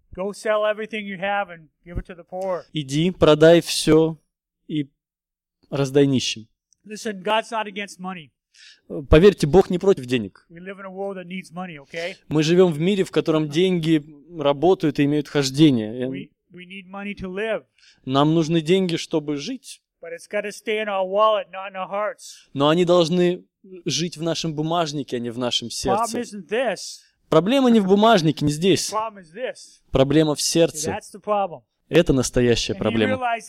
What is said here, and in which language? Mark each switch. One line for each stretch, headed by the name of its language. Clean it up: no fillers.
English: go sell everything you have and give it to the poor.
Russian: Иди, продай все и раздай нищим.
English: Listen, God's not against money.
Russian: Поверьте, Бог не против денег.
English: We live in a world that needs money, okay?
Russian: Мы живем в мире, в котором деньги работают и имеют хождение.
English: We need money to live.
Russian: Нам нужны деньги, чтобы жить.
English: But it's gotta stay in our wallet, not in our hearts.
Russian: Но они должны жить в нашем бумажнике, а не в нашем сердце.
English: Problem isn't this.
Russian: Проблема не в бумажнике, не здесь.
English: The problem is this.
Russian: Проблема в сердце.
English: See, that's the problem.
Russian: Это настоящая проблема.